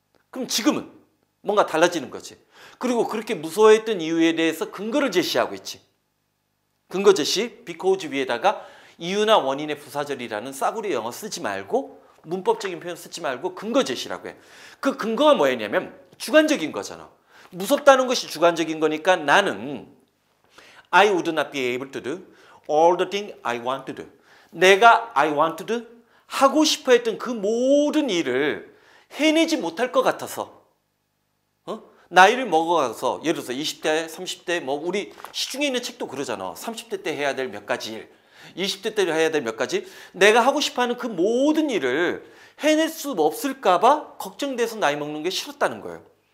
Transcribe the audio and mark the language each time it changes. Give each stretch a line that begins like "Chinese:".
Korean: 그럼 지금은 뭔가 달라지는 거지. 그리고 그렇게 무서워했던 이유에 대해서 근거를 제시하고 있지. 근거 제시 because 위에다가 이유나 원인의 부사절이라는 싸구려 영어 쓰지 말고 문법적인 표현 쓰지 말고 근거 제시라고 해. 그 근거가 뭐였냐면 주관적인 거잖아. 무섭다는 것이 주관적인 거니까 나는
English: I would not be able to do all the things I want to do.
Korean: 내가
English: I want to do
Korean: 하고 싶어 했던 그 모든 일을 해내지 못할 것 같아서 어? 나이를 먹어가서 예를 들어서 20대, 30대 뭐 우리 시중에 있는 책도 그러잖아. 30대 때 해야 될 몇 가지 일 20대 때 해야 될 몇 가지 내가 하고 싶어하는 그 모든 일을 해낼 수 없을까 봐 걱정돼서 나이 먹는 게 싫었다는 거예요.